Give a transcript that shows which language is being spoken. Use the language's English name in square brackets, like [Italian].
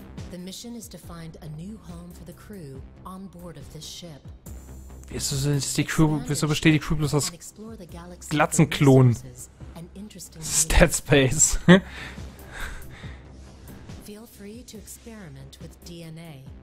[English] The mission is to find a new home for the crew on board of this ship. [German] Wieso besteht die Crew bloß aus Glatzenklonen? [English] Dead Space. Feel free to experiment with DNA.